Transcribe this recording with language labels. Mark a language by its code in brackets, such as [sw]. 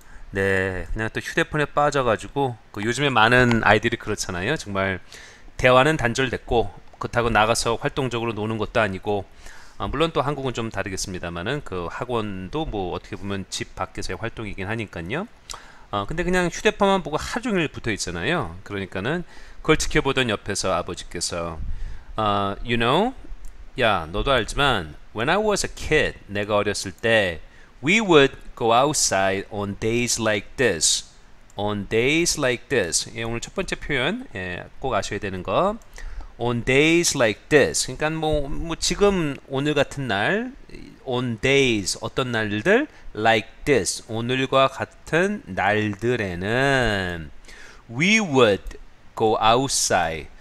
[ko] 네, 그냥 또 휴대폰에 빠져가지고, 그 요즘에 많은 아이들이 그렇잖아요. 정말 대화는 단절됐고, 그렇다고 나가서 활동적으로 노는 것도 아니고, 물론 또 한국은 좀 다르겠습니다만은 그 학원도 뭐 어떻게 보면 집 밖에서의 활동이긴 하니까요. 근데 그냥 휴대폰만 보고 하루 종일 붙어 있잖아요. 그러니까는 그걸 지켜보던 옆에서 아버지께서 [en] you know, [ko] 야, 너도 알지만 [en] when I was a kid, [ko] 내가 어렸을 때 [en] we would go outside on days like this. On days like this. [ko] 예, 오늘 첫 번째 표현 예, 꼭 아셔야 되는 거. [en] On days like this. [ko] 그러니까 뭐 지금 오늘 같은 날, [en] on days [ko] 어떤 날들 [en] like this [ko] 오늘과 같은 날들에는 [en] we would go outside.